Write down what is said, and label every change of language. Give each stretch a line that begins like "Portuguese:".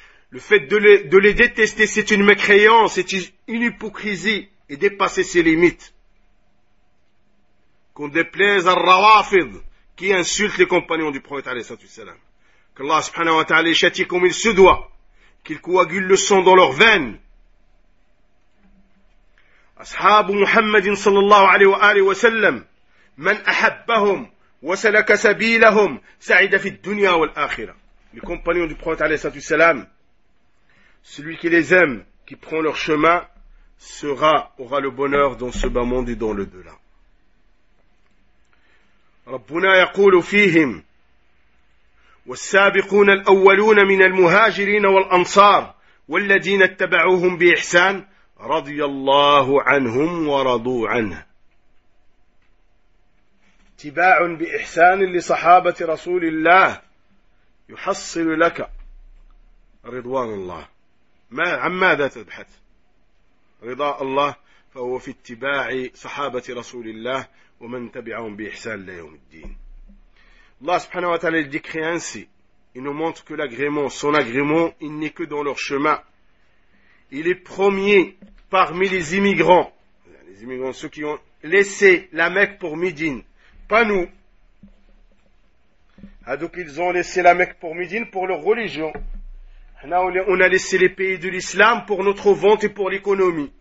French: Le fait de les détester, c'est une mécréance, c'est une hypocrisie, et dépasser ses limites. Qu'on déplaise à Rawafid, qui insulte les compagnons du prophète, alayhi salatu wassalam. Qu'Allah subhanahu wa ta'ala les châtie comme il se doit, qu'il coagule le sang dans leurs veines.
Arabic: أصحاب محمد صلى الله عليه وآله وسلم من أحبهم وسلك سبيلهم سعد في الدنيا والآخرة.
French: Les compagnons du prophète
Arabic: عليه الصلاة والسلام,
French: celui qui les aime, qui prend leur chemin, aura le bonheur dans ce bas monde et dans l'au-delà.
Arabic: ربنا يقول فيهم والسابقون الأولون من المهاجرين والأنصار والذين اتبعوهم بإحسان رضي الله عنهم ورضوا عنه. اتباع بإحسان لصحابة رسول الله يحصل لك رضوان الله. ما عن ماذا تبحث؟ رضا الله فهو في اتباع صحابة رسول الله ومن تبعهم بإحسان ليوم الدين. الله سبحانه وتعالى
French: décrit ainsi. Il nous montre que l'agrément, son agrément, il n'est que dans leur chemin. Il est premier parmi les immigrants, ceux qui ont laissé la Mecque pour Médine, pas nous. Donc ils ont laissé la Mecque pour Médine pour leur religion. On a laissé les pays de l'islam pour notre vente et pour l'économie.